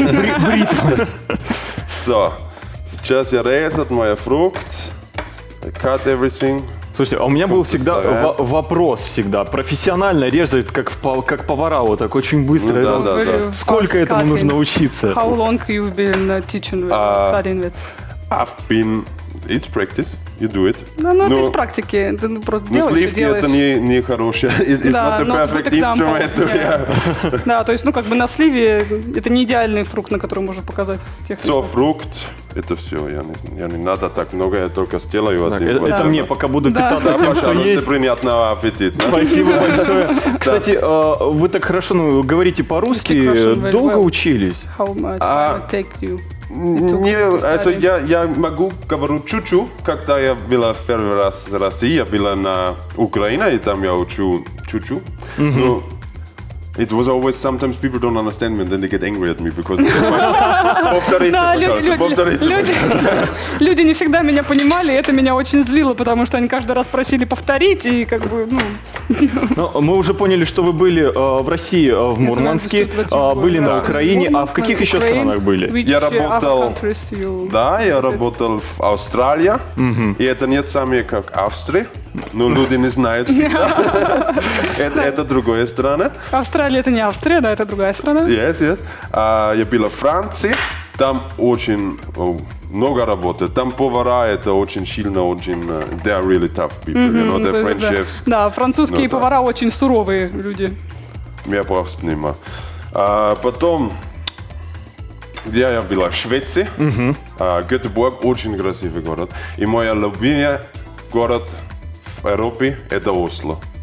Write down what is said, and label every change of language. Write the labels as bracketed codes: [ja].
[ru] Бритва. So, сейчас я резать мой фрукт. [en] I cut everything. [ru] Слушайте, а у меня был всегда вопрос всегда. Профессионально резать, как повара, вот так очень быстро. Ну, да, да. Сколько этому нужно учиться? [en] How long you've been teaching with, studying with? I've been... It's practice. You do it. [ru] Но без практики. Ты просто делаешь, сливки делаешь. Это не хорошее. [en] It's not the perfect instrument. Yeah. [ru] Да, то есть, ну, как бы на сливе это не идеальный фрукт, на который можно показать технику. Все, фрукт. Это все, я не надо так много, я только сделаю так, один. Это мне, пока буду питаться тем, что есть. Приятного аппетита. Спасибо большое. Кстати, вы так хорошо говорите по-русски, долго учились? [en] How much it take you? [ru] Не, also, я могу говорить чуть-чуть, когда я была в первый раз в России, я была на Украине, и там я учу чуть-чуть. Mm-hmm. [en] Но it was always sometimes people don't understand me, and then they get angry at me because [ru] люди не всегда меня понимали, и это меня очень злило, потому что они каждый раз просили повторить, и как бы, ну. Но мы уже поняли, что вы были в России, в Мурманске, были на Украине, а в каких еще странах были? Я работал в Австралии, и это не самое как Австрия, но люди не знают всегда. Это другая страна. Австралия — это не Австрия, да, это другая страна. [en] Yes. [ru] Я был в Франции, там очень... много работы. Там повара это очень сильно, очень... [en] They are really tough people, mm-hmm, you know, they're French chefs. [ru] Да, французские повара очень суровые люди. Я просто не могу. Потом, где я была? Швеция. Mm-hmm. Гетеборг – очень красивый город. И мой любимый город в Европе – это Осло.